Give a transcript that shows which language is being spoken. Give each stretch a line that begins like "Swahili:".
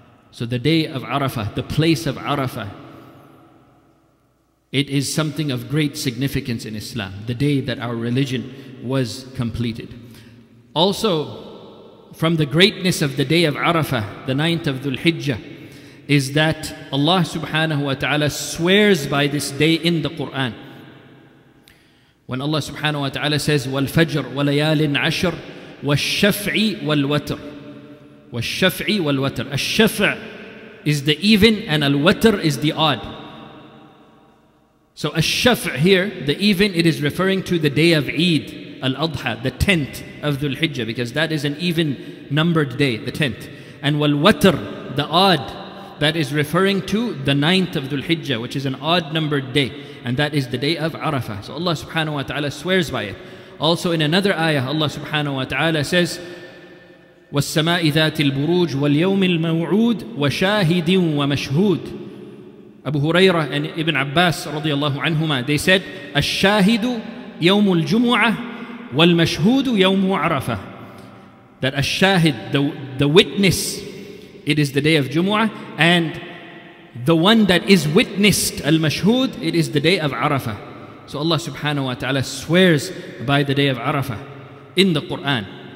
English: So the day of Arafah, the place of Arafah, it is something of great significance in Islam, the day that our religion was completed. Also, from the greatness of the day of Arafah, the 9th of Dhul Hijjah, is that Allah subhanahu wa ta'ala swears by this day in the Quran. When Allah subhanahu wa ta'ala says,
Arabic: وَالْفَجْرِ وَلَيَالٍ عَشْرٍ وَالشَّفْعِ وَالْوَتْرِ وَالشَّفْعِ وَالْوَتْرِ.
English: الشَّفْعِ is the even and الْوَتْرِ is the odd. So الشَّفْعِ here, the even, it is referring to the day of Eid, Al-Adha, the 10th of Dhul Hijjah, because that is an even numbered day, the 10th. And وَالْوَتْرِ, the odd, that is referring to the 9th of Dhul Hijjah, which is an odd numbered day. And that is the day of Arafah. So Allah subhanahu wa ta'ala swears by it. Also in another ayah, Allah subhanahu wa ta'ala says,
Arabic: والسماء ذات البروج واليوم الموعود وشاهد ومشهود.
English: Abu Huraira and Ibn Abbas
Arabic: رضي الله عنهما,
English: they said,
Arabic: الشاهد يوم الجمعة والمشهود يوم عرفة.
English: That الشاهد, the witness, it is the day of Jumu'ah, and the one that is witnessed, المشهود, it is the day of عرفة. So Allah subhanahu wa ta'ala swears by the day of عرفة in the Quran.